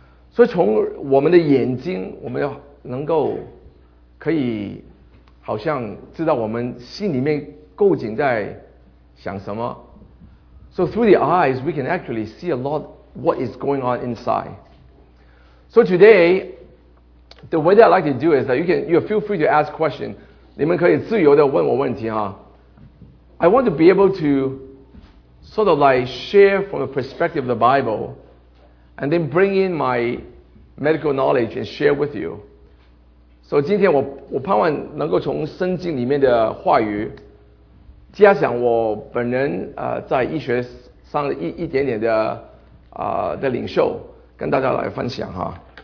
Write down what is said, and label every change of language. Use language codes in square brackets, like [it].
[zh] 所以从我们的眼睛，我们要能够可以好像知道我们心里面究竟在想什么。 [en] So through the eyes, we can actually see a lot what is going on inside. So today, the way that I like to do is that you feel free to ask questions. [zh] 你们可以自由的问我问题啊。 [en] I want to be able to sort of like share from the perspective of the Bible. And then bring in my medical knowledge and share with you. [zh] So 今天我盼望能够从圣经里面的话语加上我本人在医学上一点点的领受跟大家来分享哈。